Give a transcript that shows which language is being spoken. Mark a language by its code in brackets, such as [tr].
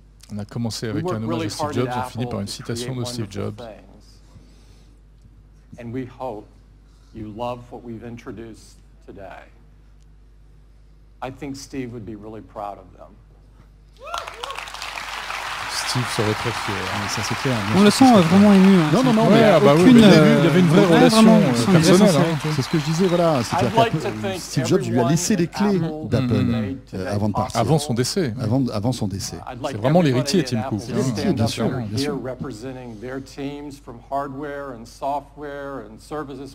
[fr] On a commencé avec un hommage à Steve Jobs, on finit par une citation de Steve Jobs. [en] And we hope you love what we've introduced today. I think Steve would be really proud of them. [fr] Steve serait très fier. Ouais, ça c'est clair. On le sent vraiment ému. Hein. Non, non, ouais, non. Bah aucune, oui, il y avait une vraie relation vraiment, personnelle. Hein. C'est ce que je disais, voilà. Steve Jobs lui a laissé les clés d'Apple avant de partir. Avant son décès. Avant son décès. C'est vraiment l'héritier, Tim Cook. C'est l'héritier, bien sûr. Bien sûr. [en] Representing their teams from hardware and software and services.